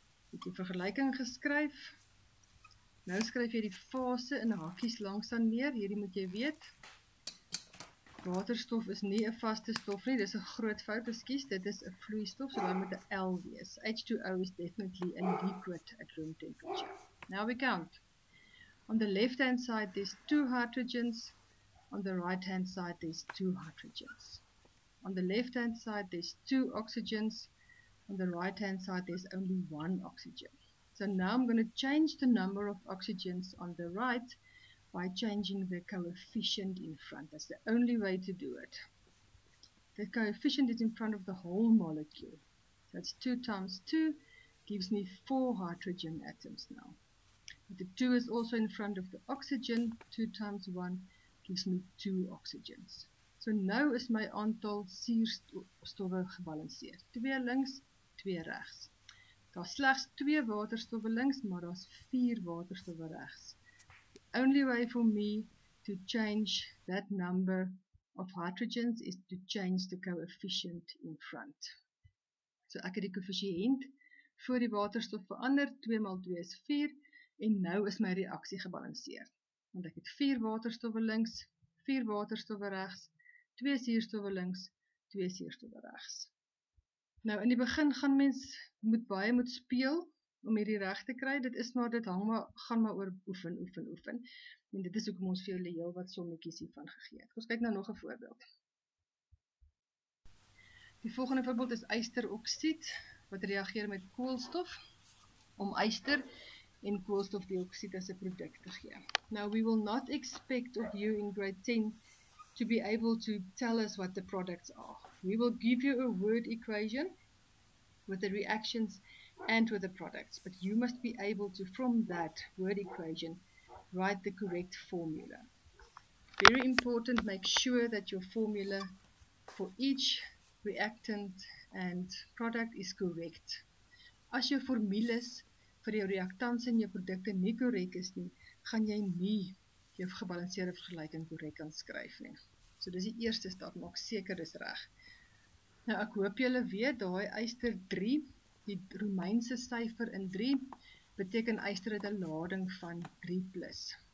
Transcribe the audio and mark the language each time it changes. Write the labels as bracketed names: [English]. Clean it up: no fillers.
[Afrikaans] Het die vergelyking geskryf. Nou skryf jy die fase in hakies langsaan neer, hierdie moet jy weet. Waterstof is nie 'n vaste stof nie, dit is 'n groot fout, ekskuus, dit is 'n vloeistof, so dit moet 'n L wees. [English] H2O is definitely a liquid at room temperature. Now we count. On the left-hand side there's 2 hydrogens, on the right-hand side there's 2 hydrogens. On the left-hand side there's 2 oxygens, on the right-hand side there's only 1 oxygen. So now I'm going to change the number of oxygens on the right by changing the coefficient in front. That's the only way to do it. The coefficient is in front of the whole molecule. That's 2 times 2 gives me 4 hydrogen atoms now. But the 2 is also in front of the oxygen. 2 times 1 gives me 2 oxygens. [Afrikaans] So now is my aantal suurstof gebalanseerd. 2 links, 2 rechts. Daar is slegs 2 waterstof links, maar daar is 4 waterstof rechts. [English] The only way for me to change that number of hydrogens is to change the coefficient in front. [Afrikaans] So ek het die koëffisiënt voor die waterstof verander, 2 maal 2 is 4, en nou is my reaksie gebalanseer. Want ek het 4 waterstof links, 4 waterstof rechts, 2 suurstof links, 2 suurstof rechts. Nou, in die begin gaan mens moet baie moet speel om hierdie reg te kry, dit is maar, dit hang maar, gaan maar oor oefen, oefen, oefen. En dit is ook ons vir julle heel wat sommetjies hiervan gegee. Ons kyk nou nog 'n voorbeeld. Die volgende voorbeeld is ysteroksied, wat reageer met koolstof, om yster en koolstofdioksied as 'n produk te gee. [English] Now, we will not expect of you in grade 10 to be able to tell us what the products are. We will give you a word equation with the reactions and with the products, but you must be able to, from that word equation, write the correct formula. Very important, make sure that your formula for each reactant and product is correct. [Afrikaans] As jou formules vir jou reaktans en jou produkte nie korrek is nie, gaan jy nie jou gebalanseerde vergelyking korrek kan skryf nie. So dis die eerste stap, maak seker dis reg. Nou ek hoop julle weet daai yster 3, die Romeinse syfer in 3 beteken yster het 'n lading van 3+.